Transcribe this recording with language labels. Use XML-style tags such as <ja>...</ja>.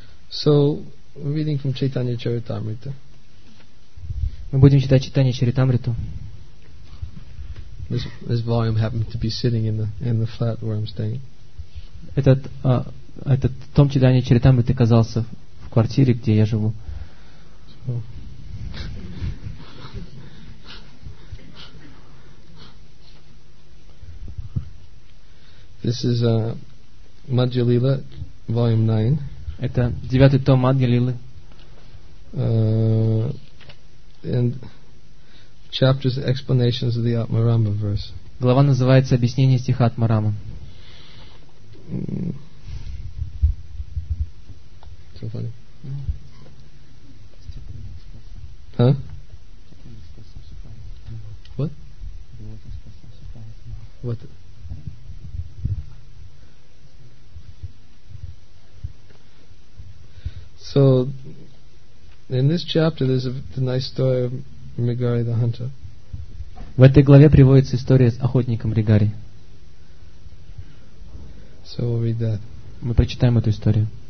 <en>So, we're reading from Chaitanya Charitamrita.</en> <ru>Мы будем читать Чайтанья Чаритамриту.</ru> <en>This volume happened to be sitting in the flat where I'm staying.</en> <ru>Этот том Чайтанья Чаритамриты оказался в квартире, где я живу.</ru> <en>This is Madhya Lila, volume 9.</en> <ru>Это девятый том Мадхья Лилы.</ru> <en>And chapters, explanations of the Atmarama verse.</en> <ru>Глава называется «Объяснение стиха Атмарама».</ru> <en>So funny. Huh? What? So, in this chapter, there's a nice story of Rigari the hunter.</en> <ru>В этой главе приводится история с охотником Ригари.</ru> <en>So we'll read that.</en> <ru>Мы прочитаем эту историю.</ru>